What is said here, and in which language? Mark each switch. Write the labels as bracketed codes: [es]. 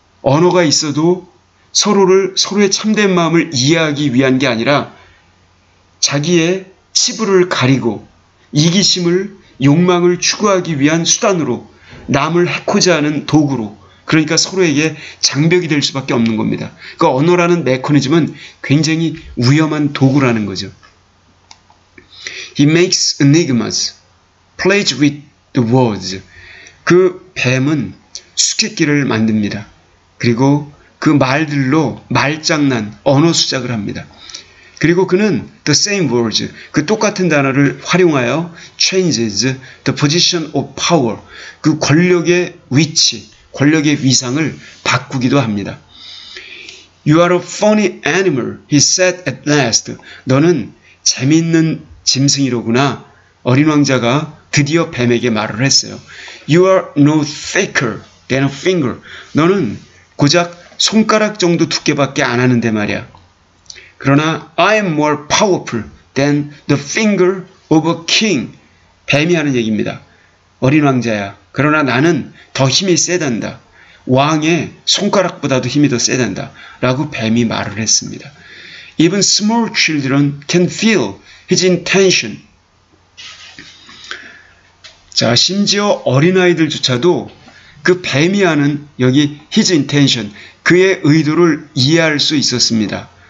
[ko] 언어가 있어도 서로의 참된 마음을 이해하기 위한 게 아니라 자기의 치부를 가리고 이기심을, 욕망을 추구하기 위한 수단으로, 남을 해코자 하는 도구로, 그러니까 서로에게 장벽이 될 수밖에 없는 겁니다. 그 언어라는 메커니즘은 굉장히 위험한 도구라는 거죠. [en] He makes enigmas, plays with the words. [ko] 그 뱀은 수께끼를 만듭니다. 그리고 그 말들로 말장난, 언어수작을 합니다. 그리고 그는 [en] the same words, [ko] 그 똑같은 단어를 활용하여 [en] changes the position of power, [ko] 그 권력의 위치, 권력의 위상을 바꾸기도 합니다. [en] You are a funny animal, he said at last. [ko] 너는 재밌는 짐승이로구나. 어린 왕자가 드디어 뱀에게 말을 했어요. [en] You are no thicker than a finger. [ko] 너는 고작 손가락 정도 두께밖에 안 하는데 말이야. 그러나 [en] I am more powerful than the finger of a king. [ko] 뱀이 하는 얘기입니다. 어린 왕자야. 그러나 나는 더 힘이 세단다. 왕의 손가락보다도 힘이 더 세단다. 라고 뱀이 말을 했습니다. [en] Even small children can feel his intention. [ko] 자, 심지어 어린아이들조차도 그 뱀이 하는 여기 [en] his intention, [ko] 그의 의도를 이해할 수 있었습니다.